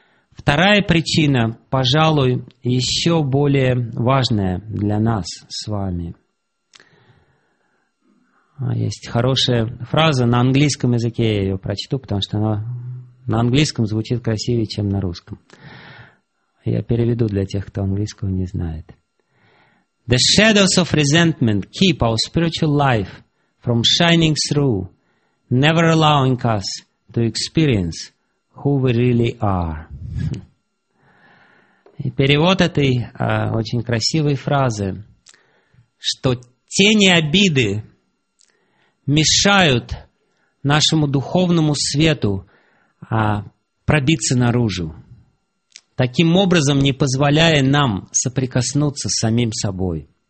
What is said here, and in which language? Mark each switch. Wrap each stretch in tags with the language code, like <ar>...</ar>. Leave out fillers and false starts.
<ru>Вторая причина, пожалуй, еще более важная для нас с вами. Есть хорошая фраза на английском языке, я ее прочту, потому что она на английском звучит красивее, чем на русском. Я переведу для тех, кто английского не знает.</ru> <en>The shadows of resentment keep our spiritual life from shining through, never allowing us to experience who we really are.</en> <ru>И перевод этой очень красивой фразы, что тени обиды мешают нашему духовному свету пробиться наружу, таким образом не позволяя нам соприкоснуться с самим собой.</ru>